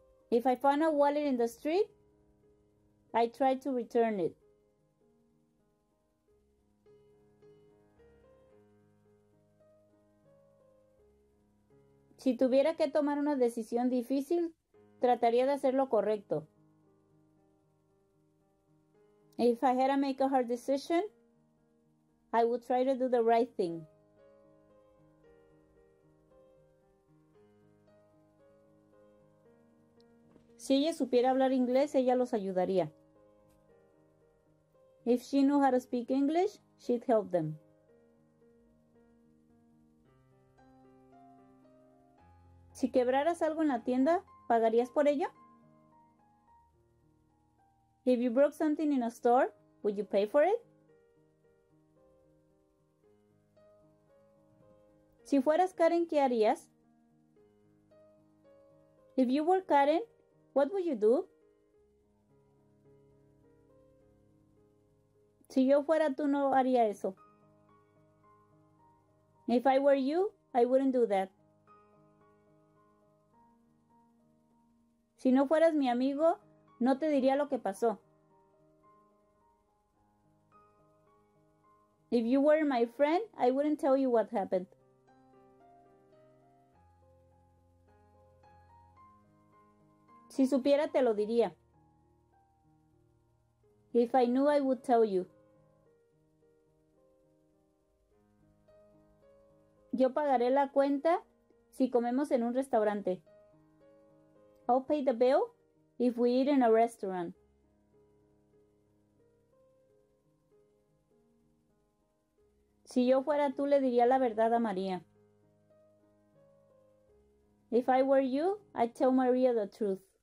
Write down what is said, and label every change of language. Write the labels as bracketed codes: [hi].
[en] If I found a wallet in the street, I try to return it. [es] Si tuviera que tomar una decisión difícil, trataría de hacer lo correcto. [en] If I had to make a hard decision, I would try to do the right thing. [es] Si ella supiera hablar inglés, ella los ayudaría. [en] If she knew how to speak English, she'd help them. [es] Si quebraras algo en la tienda, ¿pagarías por ello? [en] If you broke something in a store, would you pay for it? [es] Si fueras Karen, ¿qué harías? [en] If you were Karen, what would you do? [es] Si yo fuera tú, no haría eso. [en] If I were you, I wouldn't do that. [es] Si no fueras mi amigo, no te diría lo que pasó. [en] If you were my friend, I wouldn't tell you what happened. [es] Si supiera, te lo diría. [en] If I knew, I would tell you. [es] Yo pagaré la cuenta si comemos en un restaurante. [en] I'll pay the bill if we eat in a restaurant. [es] Si yo fuera tú, le diría la verdad a María. [en] If I were you, I'd tell Maria the truth.